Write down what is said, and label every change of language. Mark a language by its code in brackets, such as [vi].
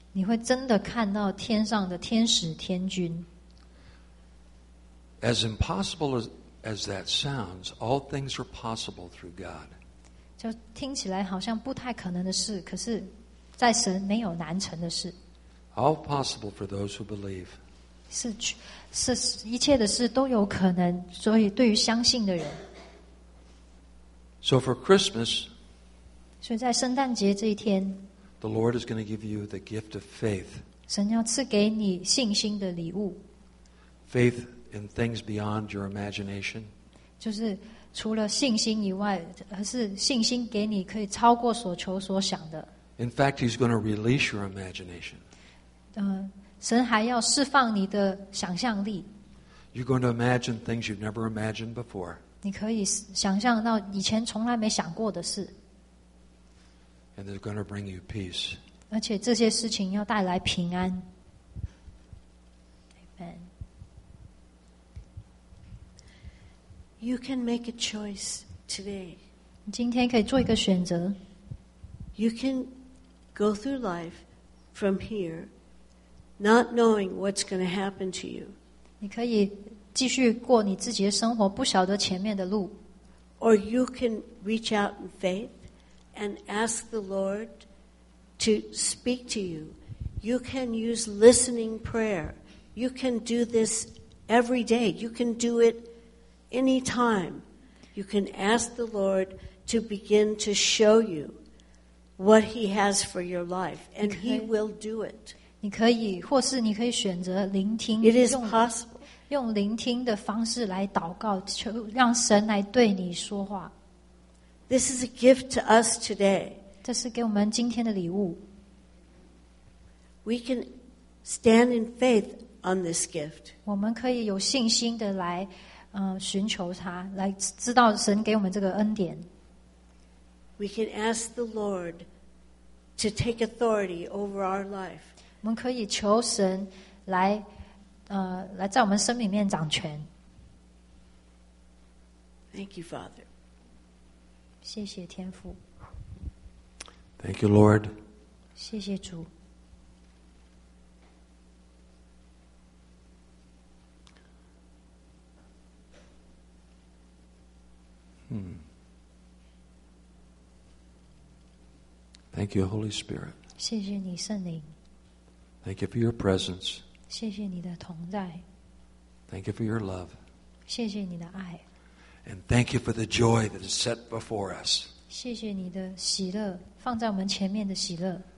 [zh] 你会真的看到天上的天使天君。 [en] As impossible as that sounds, all things are possible through God. [zh] 就听起来好像不太可能的事，可是在神没有难成的事。 [en] All possible for those who believe. [zh] 是一切的事都有可能，所以对于相信的人。 [en] So for Christmas. [zh] 所以在圣诞节这一天。 [en] The Lord is going to give you the gift of faith. [zh] 神要赐给你信心的礼物。 [en] Faith in things beyond your imagination. [zh] 就是除了信心以外，而是信心给你可以超过所求所想的。 [en] In fact, he's going to release your imagination. [zh] 神还要释放你的想象力。 [en] You're going to imagine things you've never imagined before. [zh] 你可以想象到以前从来没想过的事。 [en] And they're going to bring you peace. [zh] 而且这些事情要带来平安。 [en] Amen. You can make a choice today. [zh] 你今天可以做一个选择。 [en] You can go through life from here, not knowing what's going to happen to you. [zh] 你可以继续过你自己的生活，不晓得前面的路。 [en] Or you can reach out in faith and ask the Lord to speak to you. You can use listening prayer. You can do this every day. You can do it any time. You can ask the Lord to begin to show you. What he has for your life, and he will do it. [zh] 你可以，或是你可以选择聆听。 [en] It is possible. [zh] 用聆听的方式来祷告，求让神来对你说话。 [en] This is a gift to us today. [zh] 这是给我们今天的礼物。 [en] We can stand in faith on this gift. [zh] 我们可以有信心的来，寻求他，来知道神给我们这个恩典。 [en] We can ask the Lord to take authority over our life. [zh] 我们可以求神来，来在我们生命里面掌权。 [en] Thank you, Father. [zh] 谢谢天父。 [en] Thank you, Lord. [zh] 谢谢主。 [en] Thank you, Holy Spirit. [zh] 谢谢你圣灵。 [en] Thank you for your presence. [zh] 谢谢你的同在。 [en] Thank you for your love. [zh] 谢谢你的爱。 [en] And thank you for the joy that is set before us. [zh] 谢谢你的喜乐，放在我们前面的喜乐。